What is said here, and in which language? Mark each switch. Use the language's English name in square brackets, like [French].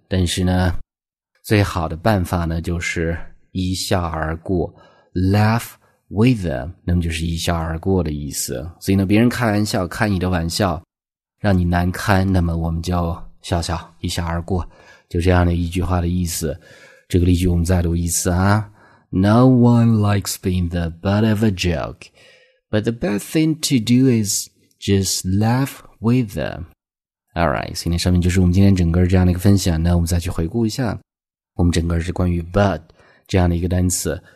[Chinese] 但是呢最好的办法呢就是一笑而过， [English] laugh wither， [Chinese] 那么就是一笑而过的意思。所以呢，别人开玩笑，开你的玩笑，让你难堪，那么我们就笑笑，一笑而过，就这样的一句话的意思。这个例句我们再读一次啊。 [English] No one likes being the butt of a joke, but the best thing to do is just laugh with them. [Chinese] Alright, 所以上面就是我们今天整个这样的一个分享。那我们再去回顾一下，我们整个是关于 butt 这样的一个单词。